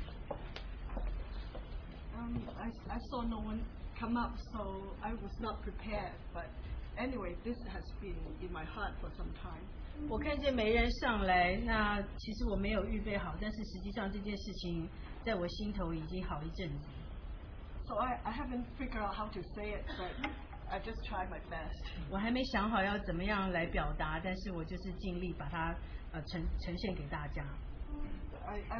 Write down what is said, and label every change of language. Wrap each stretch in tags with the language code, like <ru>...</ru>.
<en>I saw no one come up, so I was not prepared. But anyway, this has been in my heart for some time.</en> <zh>我看见没人上来，那其实我没有预备好，但是实际上这件事情在我心头已经好一阵子。</zh> <en>So I haven't figured out how to say it, but I just tried my best.</en> <zh>我还没想好要怎么样来表达，但是我就是尽力把它呈现给大家。</zh> <en>I</en>